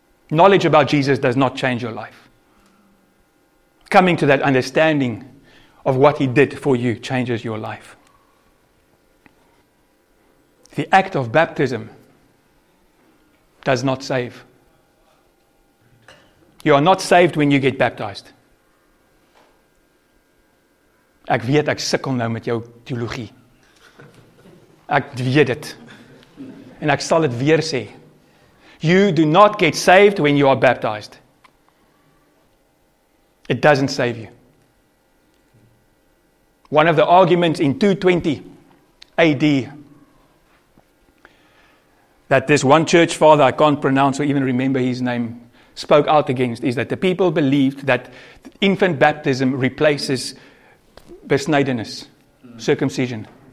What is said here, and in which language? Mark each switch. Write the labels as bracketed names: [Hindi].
[English] Knowledge about Jesus does not change your life. Coming to that understanding of what he did for you changes your life. The act of baptism does not save. You are not saved when you get baptized. [Afrikaans] Ek weet, ek sukkel nou met jou teologie. Ek weet dit. En ek sal dit weer sê. [English] You do not get saved when you are baptized. It doesn't save you. One of the arguments in 220 AD that this one church father, I can't pronounce or even remember his name, spoke out against is that the people believed that infant baptism replaces besnijdenis, circumcision.